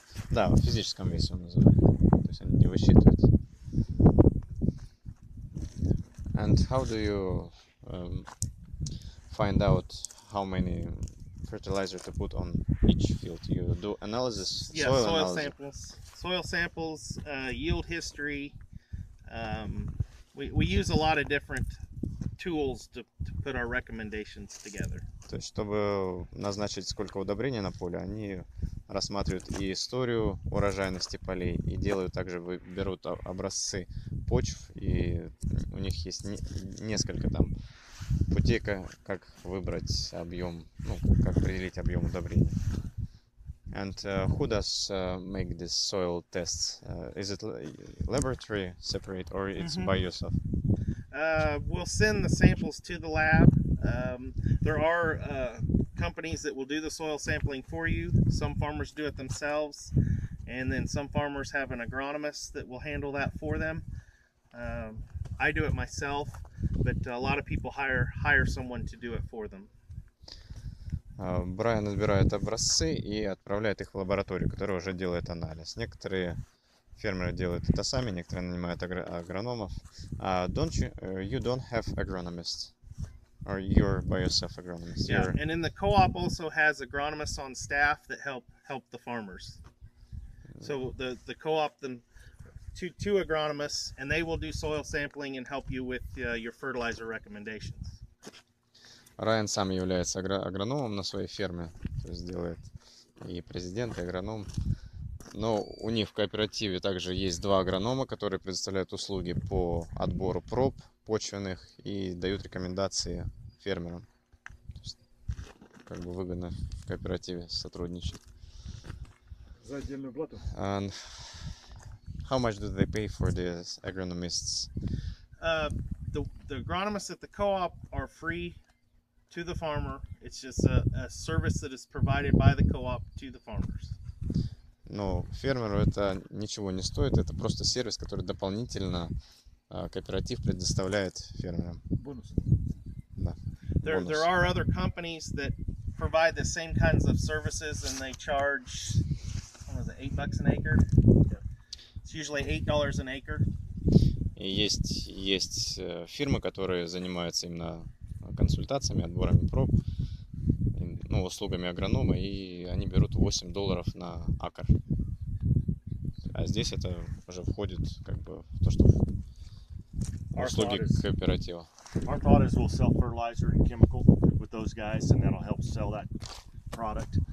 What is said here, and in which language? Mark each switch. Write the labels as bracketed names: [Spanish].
[Russian] Да, в физическом весе он называется. То есть они не высчитывают. [English] And how do you find out how many fertilizer to put on each field? You do analysis, yeah, soil analysis. Samples, soil samples, yield history. We use a lot of different tools to put our recommendations together. [Russian] То есть, чтобы назначить сколько удобрений на поле, они рассматривают и историю урожайности полей, и делают также, берут образцы почв, и у них есть несколько там путей, как выбрать объем, ну, как определить объем удобрений. [English] And who does make this soil tests? Is it laboratory separate or it's mm-hmm. by yourself? We'll send the samples to the lab. There are companies that will do the soil sampling for you. Some farmers do it themselves, and then some farmers have an agronomist that will handle that for them. I do it myself, but a lot of people hire someone to do it for them. [Russian] Брайан отбирает образцы и отправляет их в лабораторию, которая уже делает анализ. Некоторые фермеры делают это сами, некоторые нанимают агрономов. [English] You don't have agronomists? Or you're by yourself agronomist? Yeah, and then the co-op also has agronomists on staff that help the farmers. So the co-op, two agronomists, and they will do soil sampling and help you with your fertilizer recommendations. [Russian] Райан сам является агрономом на своей ферме, то есть делает и президент, и агроном. Но у них в кооперативе также есть два агронома, которые предоставляют услуги по отбору проб почвенных и дают рекомендации фермерам. То есть, как бы выгодно в кооперативе сотрудничать. [English] And how much do they pay for the agronomists? The agronomists at the co-op are free to the farmer. It's just a service that is provided by the co-op to the farmers. [Russian] Ну, фермеру это ничего не стоит. Это просто сервис, который дополнительно кооператив предоставляет фермерам. Бонус. Да. [English] There are other companies that provide the same kinds of services, and they charge, what was it, $8 an acre? It's usually $8 an acre. [Russian] И есть фирмы, которые занимаются именно консультациями, отборами проб, ну, услугами агронома, и они берут $8 на акр. А здесь это уже входит как бы в то, что услуги кооператива. [English] Our thought is we'll sell fertilizer and chemical with those guys, and that'll help sell that product.